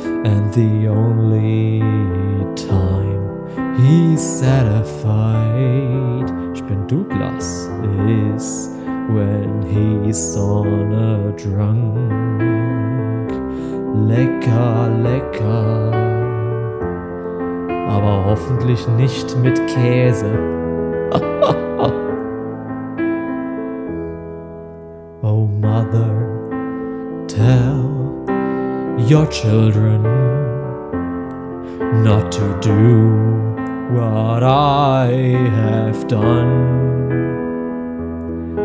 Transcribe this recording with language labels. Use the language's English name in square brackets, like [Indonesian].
[English] And the only time he's satisfied, Spin Douglas, is when he's on a drunk. [German] Lecker, lecker, aber hoffentlich nicht mit Käse. [English] Oh mother, tell your children not to do what I have done.